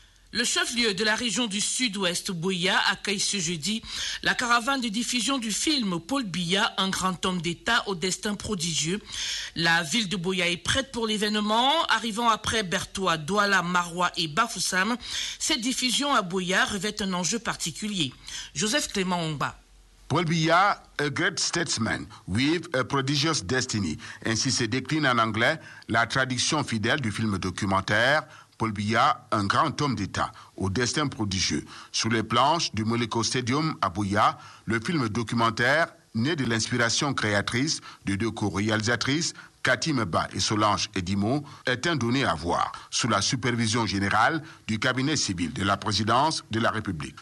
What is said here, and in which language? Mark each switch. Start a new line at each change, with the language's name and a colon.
French: Le chef-lieu de la région du Sud-Ouest, Bouya, accueille ce jeudi la caravane de diffusion du film Paul Biya, un grand homme d'État au destin prodigieux. La ville de Bouya est prête pour l'événement. Arrivant après Bertoua, Douala, Maroua et Bafoussam, cette diffusion à Bouya revêt un enjeu particulier. Joseph Clément Omba.
English: Paul Biya, a great statesman with a prodigious destiny.
French: Ainsi se décline en anglais la traduction fidèle du film documentaire Paul Biya, un grand homme d'État, au destin prodigieux. Sur les planches du Moleko Stadium à Bouya, le film documentaire, né de l'inspiration créatrice de deux co-réalisatrices, Cathy Meba et Solange Edimo, est un donné à voir, sous la supervision générale du cabinet civil de la présidence de la République.